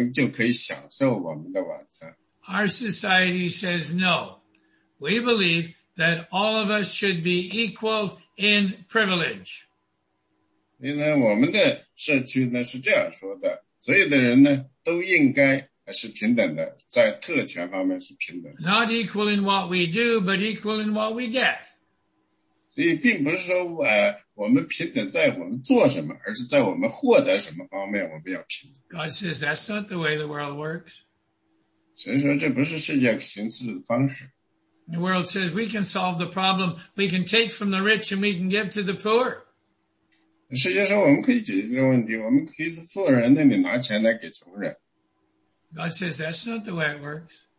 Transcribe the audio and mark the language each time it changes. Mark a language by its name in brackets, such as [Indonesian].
[Chinese] 神呢，给我们每一个人的职责呢，就是我们去做我们能够做的，这样我们就可以享受我们的晚餐。 [English] Our society says no. We believe that all of us should be equal in privilege. [Chinese] 因为我们的社区呢是这样说的，所有的人呢都应该是平等的，在特权方面是平等的。 [English] Not equal in what we do, but equal in what we get. [Chinese] 所以并不是说我们平等在我们做什么，而是在我们获得什么方面我们要平等。 [English] God says that's not the way the world works. [Chinese] 神说这不是世界形式的方式。 [English] The world says we can solve the problem. We can take from the rich and we can give to the poor. [Chinese] 世界上我们可以解决这个问题，我们可以从富人那里拿钱来给穷人。 [English] God says that's not the way it works.